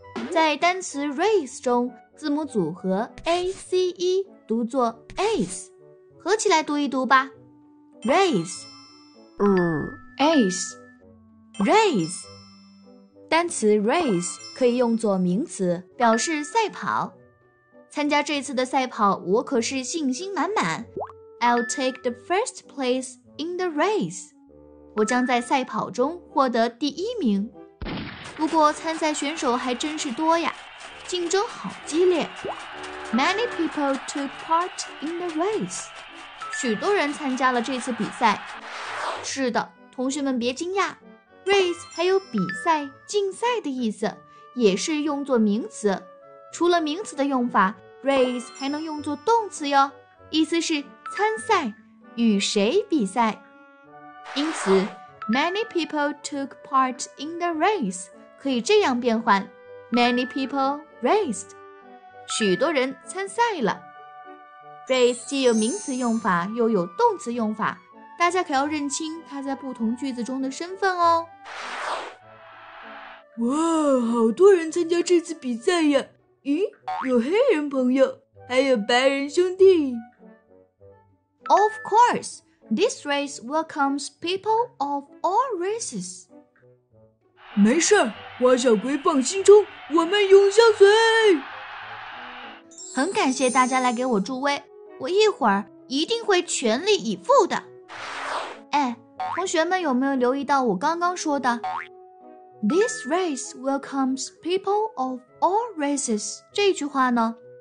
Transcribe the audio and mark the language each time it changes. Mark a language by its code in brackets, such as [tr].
[zh] 在单词 race 中，字母组合 A-C-E 读作 ace， 合起来读一读吧。 [en] Race， R-A-C-E， Race。 [zh] 单词 race 可以用作名词，表示赛跑。参加这次的赛跑，我可是信心满满。 [en] I'll take the first place in the race. [zh] 我将在赛跑中获得第一名。不过参赛选手还真是多呀，竞争好激烈。 [en] Many people took part in the race. [zh] 许多人参加了这次比赛。是的，同学们别惊讶。 Race 还有比赛、竞赛的意思，也是用作名词。除了名词的用法， Race 还能用作动词哟，意思是参赛，与谁比赛。因此 [en] Many people took part in the race [zh] 可以这样变换， [en] Many people raced， [zh] 许多人参赛了。 Race 既有名词用法，又有动词用法，大家可要认清它在不同句子中的身份哦。哇，好多人参加这次比赛呀。咦，有黑人朋友，还有白人兄弟。 [en] Of course, this race welcomes people of all races. [zh] 没事，蛙小龟放心冲，我们永相随。很感谢大家来给我助威，我一会儿一定会全力以赴的。哎，同学们有没有留意到我刚刚说的 [en] This race welcomes people of all races [zh] 这句话呢？